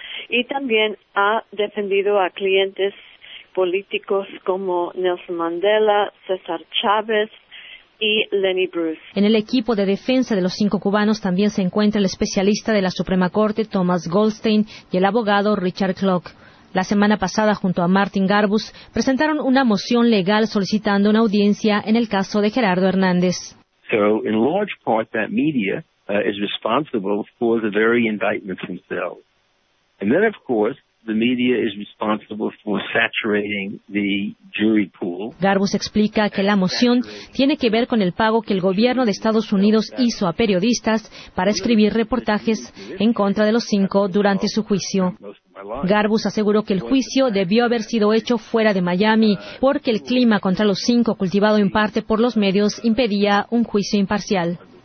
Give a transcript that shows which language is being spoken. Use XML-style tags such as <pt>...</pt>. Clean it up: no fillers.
<es>Y también ha defendido a clientes políticos como Nelson Mandela, César Chávez y Lenny Bruce. En el equipo de defensa de los 5 cubanos también se encuentra el especialista de la Suprema Corte, Thomas Goldstein, y el abogado Richard Clark. La semana pasada, junto a Martin Garbus, presentaron una moción legal solicitando una audiencia en el caso de Gerardo Hernández.</es> <en>So, in large part, that media is responsible for the very indictments themselves. And then, of course, the media is responsible for saturating the jury pool.</en> <es>Garbus explica que la moción tiene que ver con el pago que el gobierno de Estados Unidos hizo a periodistas para escribir reportajes en contra de los 5 durante su juicio. Garbus aseguró que el juicio debió haber sido hecho fuera de Miami porque el clima contra los cinco, cultivado en parte por los medios, impedía un juicio imparcial.</es>